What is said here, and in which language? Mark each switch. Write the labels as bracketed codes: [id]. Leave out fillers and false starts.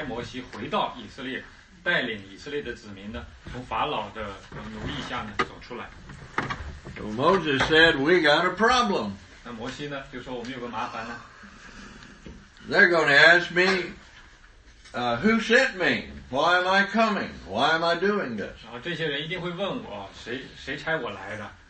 [zh] 这个事情的背景呢,是神要差摩西回到以色列, 带领以色列的子民呢, 从法老的奴役下呢, 走出来。 [en] So Moses said, we got a problem. [zh] 那摩西呢, 就说, 我们有个麻烦呢。 [en] They're going to ask me, who sent me? Why am I coming? Why am I doing this? [zh] 然后这些人一定会问我, 谁差我来的?